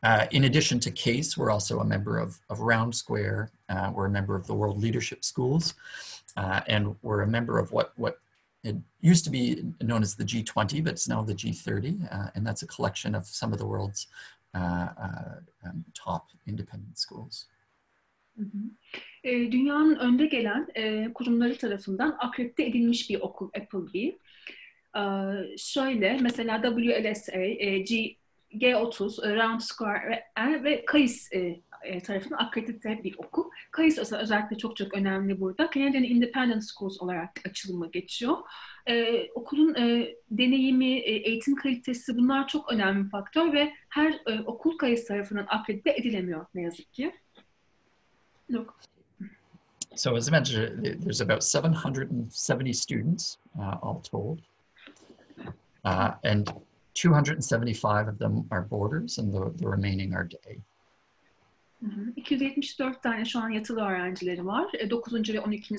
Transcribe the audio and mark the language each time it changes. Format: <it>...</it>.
<en>In addition to CASE, we're also a member of Round Square. We're a member of the World Leadership Schools, and we're a member of what it used to be known as the G20, but it's now the G30, and that's a collection of some of the world's top independent schools.</en> <tr>Dünyanın önde gelen kurumları tarafından akredite edilmiş bir okul Appleby. Şöyle mesela WLSA, G30, Round Square ve CASE tarafından akredite bir okul. CASE özellikle çok çok önemli burada. Canadian Independent Schools olarak açılımı geçiyor. Okulun deneyimi, eğitim kalitesi bunlar çok önemli faktör ve her okul CASE tarafından akredite edilemiyor ne yazık ki.</tr> <en>Look. So as I mentioned, there's about 770 students, all told, and 275 of them are boarders, and the remaining are day.</en> <tr>274 tane şu an yatılı öğrencileri var. 9. ve 12.</tr>